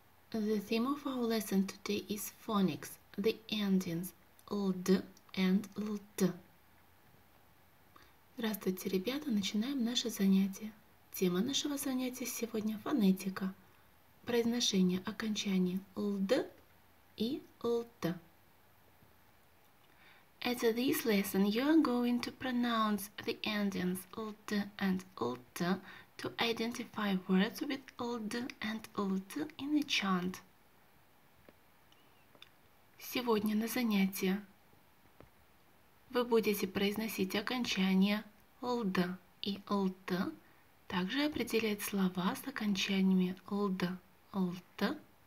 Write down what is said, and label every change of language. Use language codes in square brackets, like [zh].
[en] The theme of our lesson today is phonics, the endings ld and lt. [ru] Здравствуйте, ребята! Начинаем наше занятие. Тема нашего занятия сегодня – фонетика. Произношение окончаний ld и lt. [en] At this lesson, you are going to pronounce the endings ld and lt to identify words with ld and lt in a chant. [ru] Сегодня на занятии вы будете произносить окончания ld и lt, также определять слова с окончаниями ld, lt.